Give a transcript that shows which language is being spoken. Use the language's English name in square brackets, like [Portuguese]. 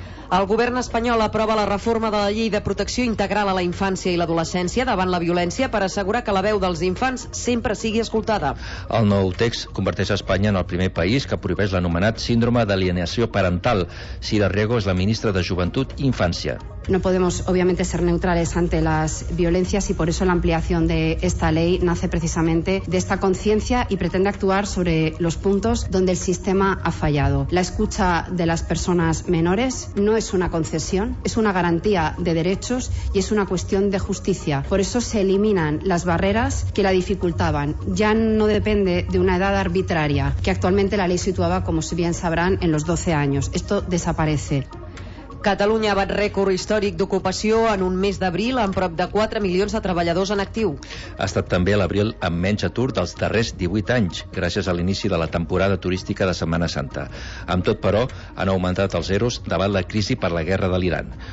[Catalan] El govern espanyol aprova la reforma de la Llei de Protecció Integral a la Infància i l'Adolescència davant la violència per assegurar que la veu dels infants sempre sigui escoltada. El nou text converteix Espanya en el primer país que prohibeix l'anomenat síndrome d'alienació parental. Sira Riego és la ministra de Joventut i Infància. [Spanish] No podemos, obviamente, ser neutrales ante las violencias y por eso la ampliación de esta ley nace precisamente de esta conciencia y pretende actuar sobre los puntos donde el sistema ha fallado. La escucha de las personas menores no es una concesión, es una garantía de derechos y es una cuestión de justicia. Por eso se eliminan las barreras que la dificultaban. Ya no depende de una edad arbitraria, que actualmente la ley situaba, como bien sabrán, en los 12 años. Esto desaparece. [Catalan] Catalunya bat rècord històric d'ocupació en un mes d'abril amb prop de 4 milions de treballadors en actiu. Ha estat també l'abril amb menys atur dels darrers 18 anys, gràcies a l'inici de la temporada turística de Setmana Santa. Amb tot, però, han augmentat els ERO davant la crisi per la guerra de l'Iran.